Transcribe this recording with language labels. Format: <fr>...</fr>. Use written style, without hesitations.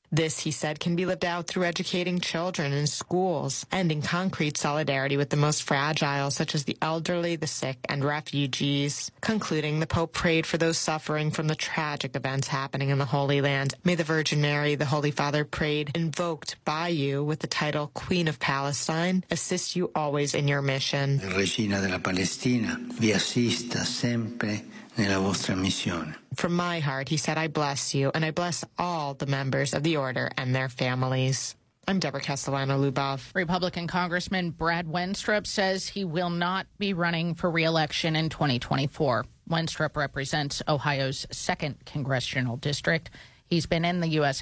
<en>This, he said, can be lived out through educating children in schools and in concrete solidarity with the most fragile, such as the elderly, the sick, and refugees. Concluding, the Pope prayed for those suffering from the tragic events happening in the Holy Land. May the Virgin Mary, the Holy Father prayed, invoked by you with the title Queen of Palestine, assist you always in your mission.</en> <it>Regina della Palestina, vi assista sempre nella vostra missione.</it> <en>From my heart, he said, I bless you, and I bless all the members of the order and their families. I'm Deborah Castellano-Lubov. Republican Congressman Brad Wenstrup says he will not be running for re-election in 2024. Wenstrup represents Ohio's 2nd congressional district. He's been in the U.S.</en>